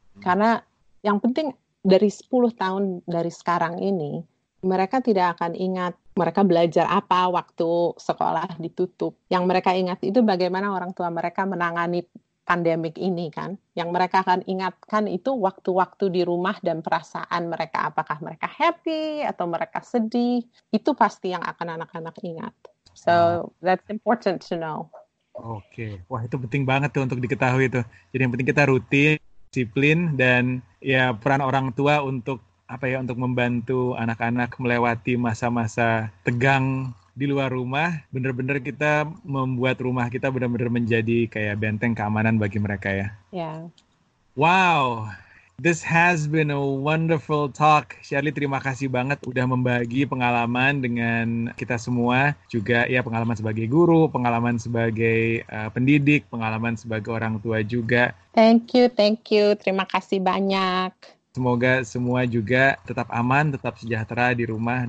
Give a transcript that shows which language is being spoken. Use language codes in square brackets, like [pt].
[id] Karena yang penting dari 10 tahun dari sekarang ini, mereka tidak akan ingat mereka belajar apa waktu sekolah ditutup. Yang mereka ingat itu bagaimana orang tua mereka menangani pandemik ini, kan? Yang mereka akan ingatkan itu waktu-waktu di rumah dan perasaan mereka. Apakah mereka happy atau mereka sedih? Itu pasti yang akan anak-anak ingat. [en] So, that's important to know. Okay. [id] Wah, itu penting banget tuh untuk diketahui itu. Jadi yang penting kita rutin, disiplin, dan ya peran orang tua untuk apa ya, untuk membantu anak-anak melewati masa-masa tegang di luar rumah, benar-benar kita membuat rumah kita benar-benar menjadi kayak benteng keamanan bagi mereka ya. [en] Yeah. Wow, this has been a wonderful talk. [id] Shirley, terima kasih banget udah membagi pengalaman dengan kita semua. Juga ya pengalaman sebagai guru, pengalaman sebagai pendidik, pengalaman sebagai orang tua juga. [en] Thank you. [id] Terima kasih banyak. Semoga semua juga tetap aman, tetap sejahtera di rumah.